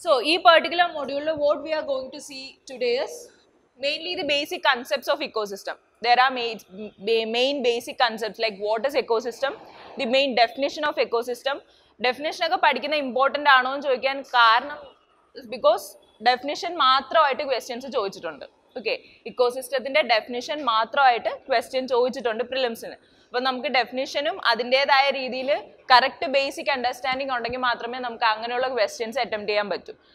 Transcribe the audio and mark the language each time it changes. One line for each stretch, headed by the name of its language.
Malayalam: ഈ പെർട്ടിക്കുലർ മൊഡ്യൂളിൽ
English: What we are going to see today is mainly the basic concepts of ecosystem. There are main basic concepts like what is ecosystem, the main definition of ecosystem.
Malayalam: Definition ഒക്കെ പഠിക്കുന്ന important ആണോ എന്ന് ചോദിക്കാൻ കാരണം because definition മാത്രമായിട്ട് questions ചോദിച്ചിട്ടുണ്ട്. Okay, ഇക്കോസിസ്റ്റത്തിൻ്റെ definition മാത്രമായിട്ട് question ചോദിച്ചിട്ടുണ്ട് പ്രിലിംസിന്. അപ്പോൾ നമുക്ക് ഡെഫിനിഷനും അതിൻ്റേതായ രീതിയിൽ കറക്റ്റ് ബേസിക് അണ്ടർസ്റ്റാൻഡിങ് ഉണ്ടെങ്കിൽ മാത്രമേ നമുക്ക് അങ്ങനെയുള്ള ക്വസ്റ്റ്യൻസ് അറ്റംപ്റ്റ് ചെയ്യാൻ പറ്റൂ.